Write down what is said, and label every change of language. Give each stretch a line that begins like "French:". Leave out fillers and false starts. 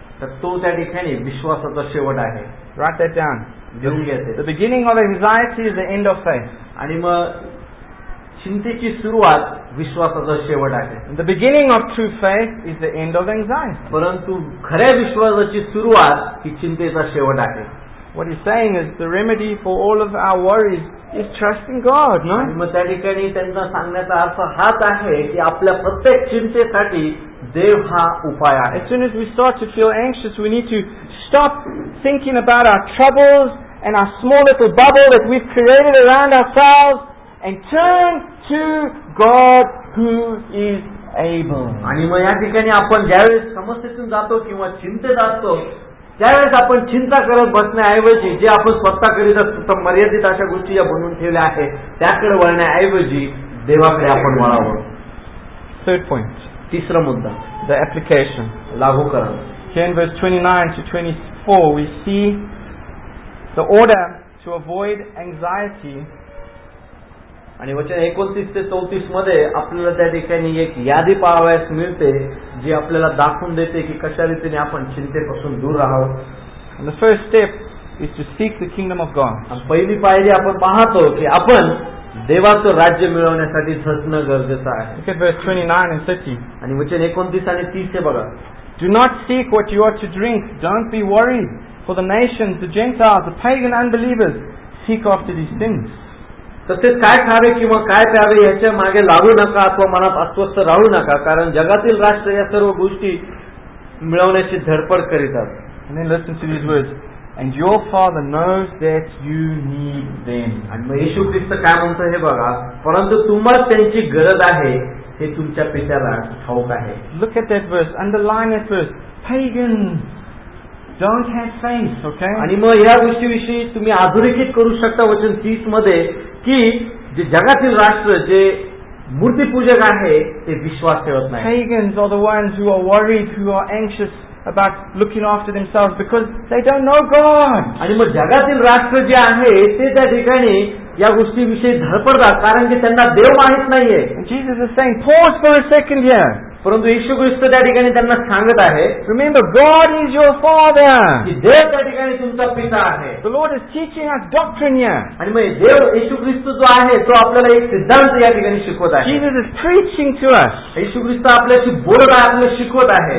Marathi: तर तो त्या ठिकाणी विश्वासाचा शेवट आहे.
English: Write that down. The beginning of anxiety is the end of faith.
Marathi: आणि मग चिंतेची सुरुवात विश्वासाचा शेवट आहे.
English: The beginning of true faith is the end of anxiety.
Marathi: परंतु खऱ्या विश्वासाची सुरुवात ही चिंतेचा शेवट आहे.
English: What he's saying is the remedy for all of our worries is trusting God, no?
Marathi: आणि मग त्या ठिकाणी त्यांना सांगण्याचा अर्थ हाच आहे की आपल्या प्रत्येक चिंतेसाठी देव हा उपाय आहे.
English: As soon as we start to feel anxious, we need to stop thinking about our troubles and our small little bubble that we've created around ourselves and turn to God who is able.
Marathi: आणि मग या ठिकाणी आपण ज्यावेळेस समस्येतून जातो किंवा चिंतेत असतो त्यावेळेस आपण चिंता करत बसण्याऐवजी जे आपण स्वतःकरिता मर्यादित अशा गोष्टी या बनवून ठेवल्या आहेत त्याकडे वळण्याऐवजी देवाकडे आपण वळावं.
English: third point.
Marathi: Tisra mudda.
English: The application.
Marathi: Lagu karan.
English: Here in verse 29-24, we see the order to avoid anxiety.
Marathi: आणि वचन 29-34 मध्ये आपल्याला त्या ठिकाणी एक यादी पाहावयास मिळते जी आपल्याला दाखवून देते की कशा रीतीने आपण चिंतेपासून दूर राहावं.
English: And the first step is to seek the kingdom of God.
Marathi: आणि पहिली पायरी आपण पाहतो की आपण देवाचं राज्य मिळवण्यासाठी झटणं गरजेचं आहे.
English: Look at verse 29 and 30.
Marathi: आणि वचन 29 आणि 30 हे बघा.
English: Do not seek what you are to drink. Don't be worried. For the nations, the Gentiles, the pagan unbelievers seek after these things.
Marathi: तसेच काय खावे किंवा काय प्यावे याच्या मागे लागू नका अथवा मनात अस्वस्थ राहू नका, कारण जगातील राष्ट्र या सर्व गोष्टी मिळवण्याची धडपड करीतात.
English: आणि listen to this words, and your father knows that you need them.
Marathi: आणि मग येशू ख्रिस्त काय म्हणतो हे बघा, परंतु तुम्हाला त्यांची गरज आहे हे तुमच्या पित्याला ठाऊक आहे.
English: Look at that verse, underline it first, pagan don't have faith. Okay,
Marathi: आणि मग या गोष्टीविषयी तुम्ही अधोरेखित करू शकता वचन 30 मध्ये की जे जगातील राष्ट्र जे मूर्तीपूजक आहे ते विश्वास ठेवत नाही.
English: Pagans are the ones who are worried, who are anxious about looking after themselves because they don't know God.
Marathi: आणि मग जगातील राष्ट्र जे आहे ते त्या ठिकाणी या गोष्टीविषयी धडपडतात कारण की त्यांना देव माहित नाहीये.
English: Jesus is saying, pause for a second here.
Marathi: परंतु येशू ख्रिस्त त्या ठिकाणी त्यांना सांगत आहे,
English: remember God is your father,
Marathi: देव त्या ठिकाणी तुमचा पिता आहे.
English: The Lord is teaching us doctrine here.
Marathi: आणि मग देव येशू ख्रिस्त जो आहे तो आपल्याला एक सिद्धांत या ठिकाणी शिकवत आहे.
English: Jesus is teaching to us.
Marathi: येशू ख्रिस्त आपल्याशी बोलत आहे, आपल्याला शिकवत आहे.